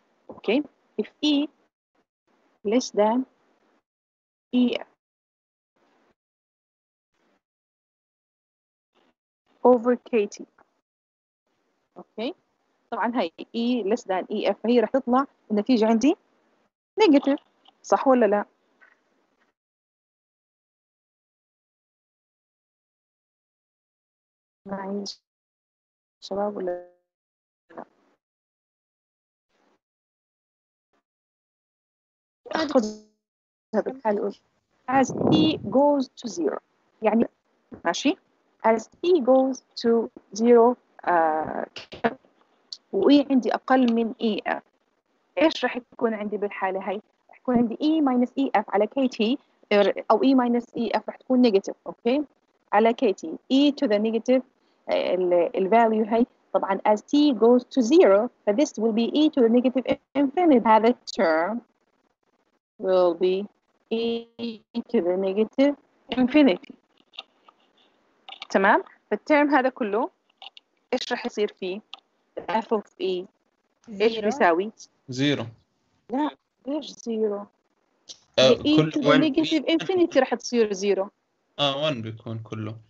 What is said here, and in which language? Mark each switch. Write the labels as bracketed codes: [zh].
[en] Okay, if E less than E over KT. [ar] Okay, طبعا هاي E less than EF هي راح تطلع النتيجة عندي نيجاتيف صح ولا لا؟ معيش شباب ولا أخذها بالحال أقول [en] as E goes to zero [ar] يعني ماشي as E goes to zero و E عندي أقل من EF إيش راح يكون عندي بالحالة هاي؟ راح يكون عندي E minus EF على KT [en] أو E minus EF [ar] رح تكون [en] negative. Okay على KT E to the negative ال value [ar] هاي طبعا [en] as T goes to zero but this will be E to the negative infinity. هذا term will be E to the negative infinity. [ar] تمام فالterm هذا كله إيش رح يصير فيه F of E إيش بيساوي [en] zero. [ar] لا ليش zero [en] E to the negative infinity [ar] رح تصير zero. One بيكون كله.